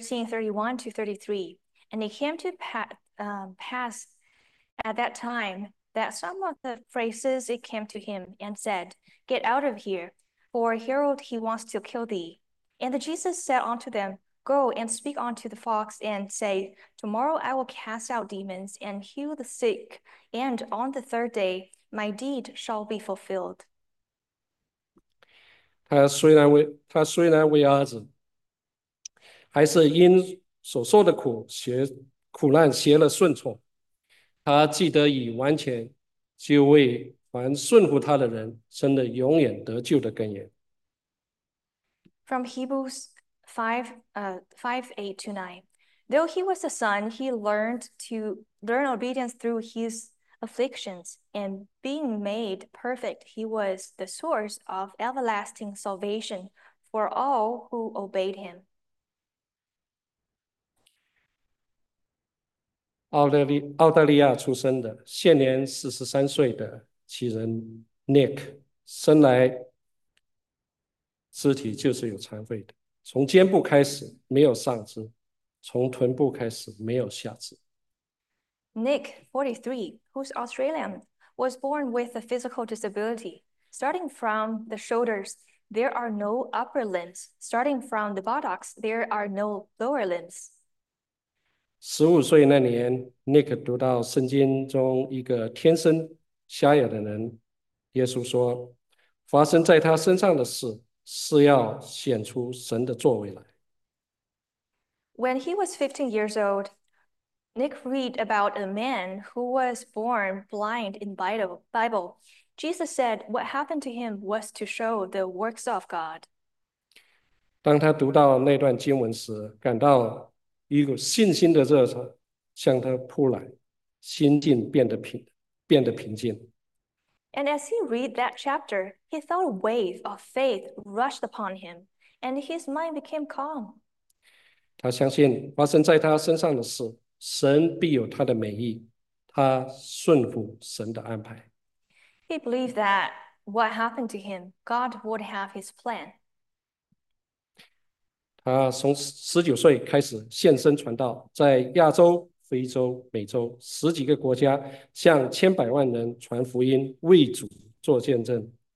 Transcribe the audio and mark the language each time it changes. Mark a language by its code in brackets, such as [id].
[en] Luke 13:31-33, and it came to pass at that time that some of the Pharisees it came to him and said, "Get out of here, for Herod he wants to kill thee." And Jesus said unto them, "Go and speak unto the fox, and say, Tomorrow I will cast out demons and heal the sick, and on the third day my deed shall be fulfilled." [zh] 他虽然为儿子，还是因所受的苦难学了顺从。他既得以完全，就为凡顺服他的人生了永远得救的根源。 [en] From Hebrews 5:8-9, though he was a son, he learned to learn obedience through his afflictions, and being made perfect, he was the source of everlasting salvation for all who obeyed him. [zh] Aldalia 出生的，现年43岁的其人 Nick 生来肢体就是有残废的，从肩部开始没有上肢，从臀部开始没有下肢。 [en] Nick, 43, who's Australian, was born with a physical disability. Starting from the shoulders, there are no upper limbs. Starting from the buttocks, there are no lower limbs. [zh] 15岁那年，Nick 读到圣经中一个天生瞎眼的人，耶稣说："发生在他身上的事，是要显出神的作为来。 [en] When he was 15 years old, Nick read about a man who was born blind in Bible. Jesus said what happened to him was to show the works of God. [zh] ”当他读到那段经文时，感到一股信心的热潮向他扑来，心境变得平静。 [en] And as he read that chapter, he felt a wave of faith rushed upon him, and his mind became calm. [zh] 他相信发生在他身上的事，神必有他的美意，他顺服神的安排。 [en] He believed that what happened to him, God would have his plan. [zh] 他从19岁开始献身传道，在亚洲、非洲、美洲十几个国家向千百万人传福音，为主做见证。